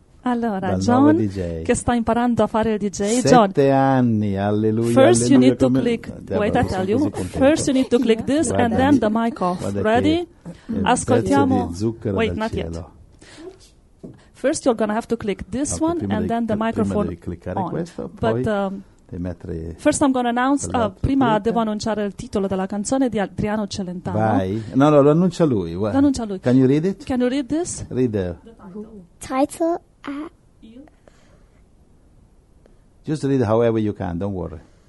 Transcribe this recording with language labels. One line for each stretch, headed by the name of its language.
Italian: Allora, John, che sta imparando a fare il DJ. 7 anni, alleluia.
English: First
Italian: alleluia,
English: you need to click. Wait, I tell you. First you need to click this and then the mic off. Ready?
Italian: Ascoltiamo.
English: Wait, not
Italian: cielo.
English: Yet. First you're gonna have to click this one and then the microphone on. But first I'm gonna announce.
Italian: Prima devo annunciare il titolo della canzone di Adriano Celentano. Vai. No, no, lo annuncia lui. Lo annuncia lui.
English: Can you read it? Can you read this? Read the title. Just read however you can, don't worry.